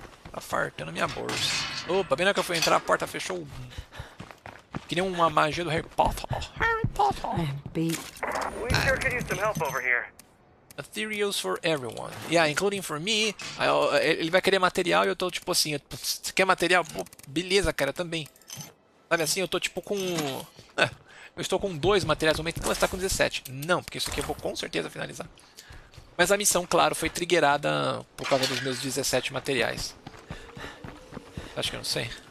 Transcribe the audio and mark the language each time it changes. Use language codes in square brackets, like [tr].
[pt] Tá fartando minha bolsa. Opa, bem na hora que eu fui entrar, a porta fechou. Que nem uma magia do Harry Potter. Harry Potter. [en] We sure could use some help over here. Materials for everyone. Yeah, including for me. [pt] Ele vai querer material e eu tô tipo assim. Você quer material? Pô, beleza, cara, também. Sabe assim, eu tô tipo com. Eu estou com dois materiais no momento. Não, você tá com 17. Não, porque isso aqui eu vou com certeza finalizar. Mas a missão, claro, foi triggerada por causa dos meus 17 materiais. Acho que eu não sei.